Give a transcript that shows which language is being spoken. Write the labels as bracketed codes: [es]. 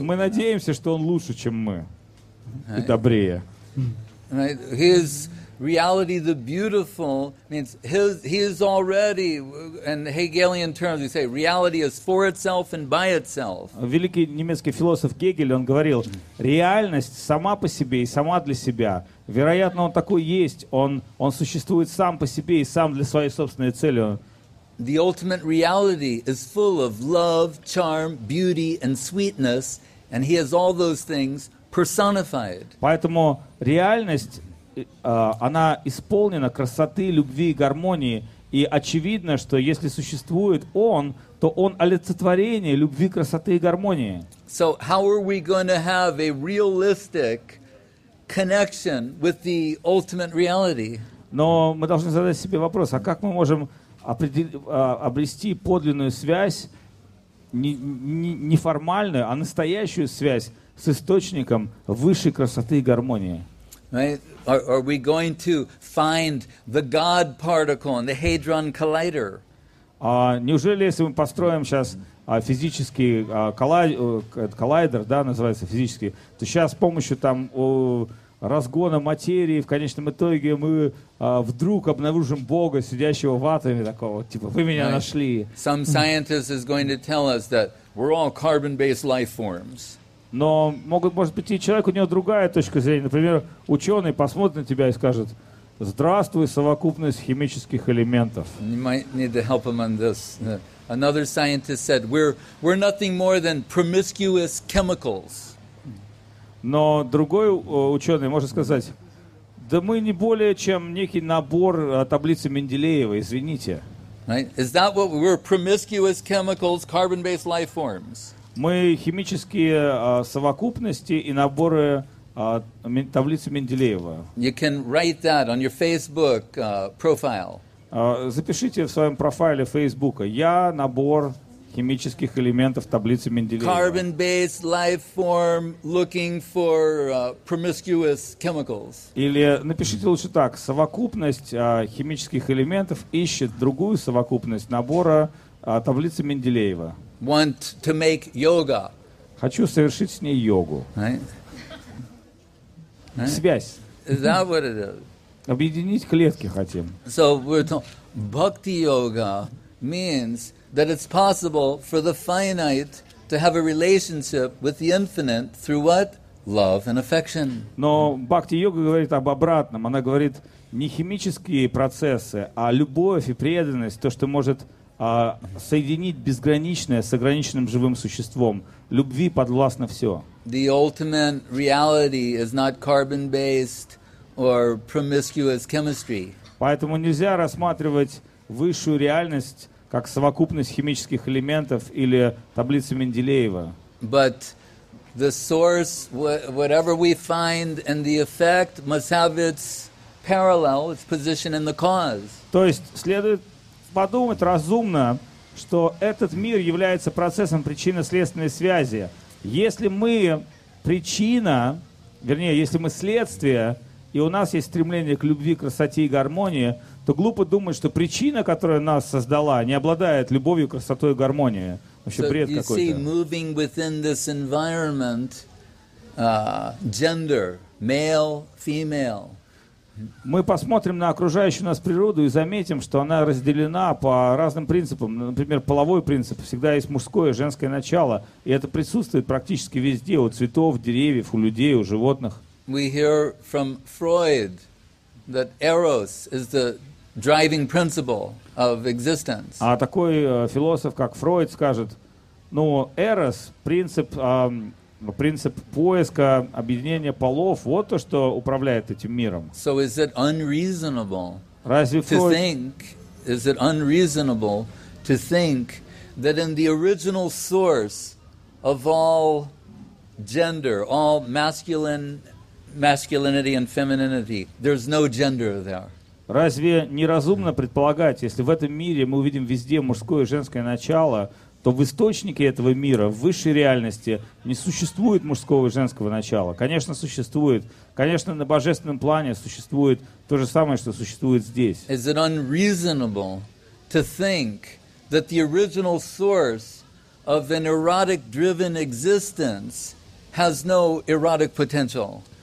[ru] Мы надеемся, что он лучше, чем мы. И добрее. [en] Right, his... Reality, the beautiful, means he is already, in Hegelian terms, we say, reality is for itself and by itself. [ru] Великий немецкий философ Гегель, он говорил, реальность сама по себе и сама для себя. Вероятно, он такой есть. Он существует сам по себе и сам для своей собственной цели. [en] The ultimate reality is full of love, charm, beauty, and sweetness, and he has all those things personified. [ru] Поэтому реальность... она исполнена красоты, любви и гармонии. И очевидно, что если существует он, то он олицетворение любви, красоты и гармонии. [en] So how are we going to have a realistic connection with the ultimate reality? [ru] Но мы должны задать себе вопрос, а как мы можем обрести подлинную связь, не формальную, а настоящую связь с источником высшей красоты и гармонии? [en] Right? Are we going to find the God particle in the Hadron Collider? [ru] Неужели если мы построим сейчас физический коллайдер, да, называется физический, то сейчас с помощью там разгона материи в конечном итоге мы вдруг обнаружим Бога, сидящего в атоме такого, типа, вы меня [en] right. [ru] нашли. [en] Some scientist is going to tell us that we're all carbon-based life forms. [ru] Но, может быть, и человек, у него другая точка зрения. Например, ученый посмотрит на тебя и скажет, «Здравствуй, совокупность химических элементов». [en] You might need to help him on this. Another scientist said, we're nothing more than promiscuous chemicals. [ru] Но другой ученый может сказать, «Да мы не более, чем некий набор таблицы Менделеева, извините». [en] Right? Is that what we're promiscuous chemicals, carbon-based life forms? [ru] Мы химические совокупности и наборы таблицы Менделеева. [en] You can write that on your Facebook profile. [ru] Запишите в своем профайле Facebook. Я набор химических элементов таблицы Менделеева. [en] Carbon-based life form looking for promiscuous chemicals. [ru] Или напишите лучше так: совокупность химических элементов ищет другую совокупность набора таблицы Менделеева. [en] Want to make yoga. [ru] Хочу совершить с ней йогу. [en] Right? [ru] Связь. [en] Is that what it is? [ru] Объединить клетки хотим. [en] So we're talking bhakti yoga means that it's possible for the finite to have a relationship with the infinite through what? Love and affection. [ru] Но бхакти-йога говорит об обратном. Она говорит не химические процессы, а любовь и преданность, то, что может соединить безграничное с ограниченным живым существом. Любви подвластно все. [en] The ultimate reality is not carbon-based or promiscuous chemistry. [ru] Поэтому нельзя рассматривать высшую реальность как совокупность химических элементов или таблицы Менделеева. [en] But the source, whatever we find and the effect must have its parallel, its position in the cause. [ru] То есть следует подумать разумно, что этот мир является процессом причинно-следственной связи. Если мы причина, вернее, если мы следствие, и у нас есть стремление к любви, красоте и гармонии, то глупо думать, что причина, которая нас создала, не обладает любовью, красотой и гармонией. Вообще бред какой-то. [en] So you see, moving within this environment, gender, male, female. [ru] Мы посмотрим на окружающую нас природу и заметим, что она разделена по разным принципам. Например, половой принцип. Всегда есть мужское и женское начало. И это присутствует практически везде. У цветов, деревьев, у людей, у животных. [en] We hear from Freud that Eros is the driving principle of existence. [ru] А такой философ, как Фрейд, скажет, ну, Эрос, принцип поиска объединения полов, вот то, что управляет этим миром. [en] So is it unreasonable? [ru] Разве [en] to Фрейд... think, is it unreasonable to think that in the original source of all gender, all masculinity and femininity, there's no gender there? [ru] Разве неразумно предполагать, если в этом мире мы увидим везде мужское и женское начало, то в источнике этого мира, в высшей реальности, не существует мужского и женского начала? Конечно, существует. Конечно, на божественном плане существует то же самое, что существует здесь. [en] Is it unreasonable to think that the original source of an erotic-driven existence has no erotic potential?